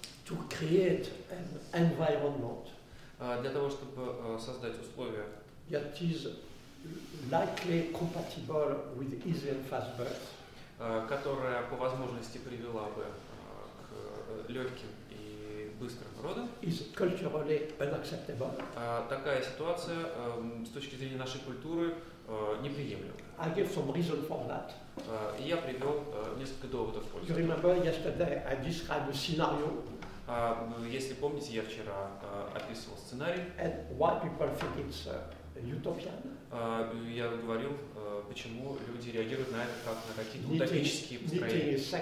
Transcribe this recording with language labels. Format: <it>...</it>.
<en>to create an environment,</en> <ru>для того, чтобы создать условия,</ru> <en>that is likely compatible with Israel fast birth,</en> <ru>которая по возможности привела бы к легким и быстрым родам,</ru> <en>is culturally unacceptable.</en> <ru>Такая ситуация с точки зрения нашей культуры неприемлема.</ru> <en>I gave some reason for that.</en> <ru>Я привел несколько доводов в пользу.</ru> <en>You remember yesterday I described a scenario.</en> <ru>Если помните, я вчера описывал сценарий.</ru> <en>And why people think it's utopian?</en> <ru>Я говорил, почему люди реагируют на это как на какие-то утопические построения.</ru>